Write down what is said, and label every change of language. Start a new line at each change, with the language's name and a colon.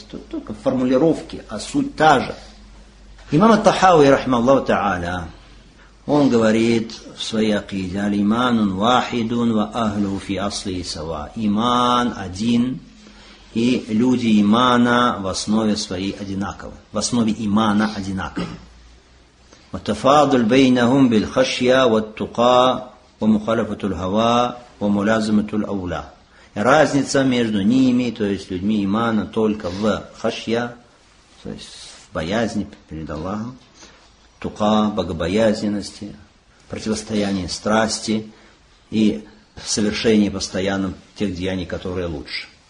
Russian: Только формулировки, а суть та же. Имам ат-Тахави, рахмаллаху та'аля, он говорит в своей акиде,
Arabic: «Алиманун вахидун ва ахлю фи асли и сава».
Russian: Иман один, и люди имана в основе своей одинаковы. В основе имана одинаковы.
Arabic: وتفاضل بينهم بالخشية والتقى ومخالفة الهوى وملازمة الأولى.
Russian: Разница между ними, то есть людьми имана, только в хашья, то есть в боязни перед Аллахом, тука, богобоязненности, противостояние страсти и совершение постоянным тех деяний, которые лучше.